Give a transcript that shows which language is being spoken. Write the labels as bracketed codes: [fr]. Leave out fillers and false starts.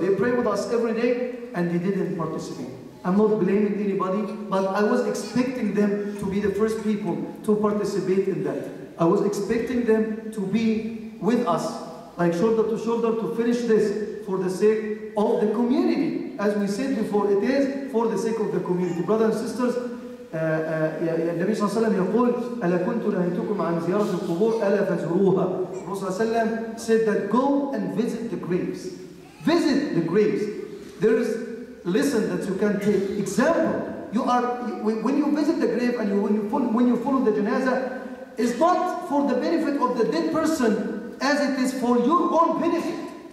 [en] They pray with us every day and they didn't participate. I'm not blaming anybody, but I was expecting them to be the first people to participate in that. I was expecting them to be with us, like shoulder to shoulder, to finish this for the sake of the community. As we said before, it is for the sake of the community. Brothers and sisters, [ar] النبي صلى الله عليه وسلم يقول ألا كنت نهيتكم عن زيارة القبور ألا فزروها. [en] الرسول صلى الله عليه وسلم said that go and visit the graves. Visit the graves. There is lesson that you can take. Example, you are, when you visit the grave and when you follow the janazah, it's not for the benefit of the dead person as it is for your own benefit.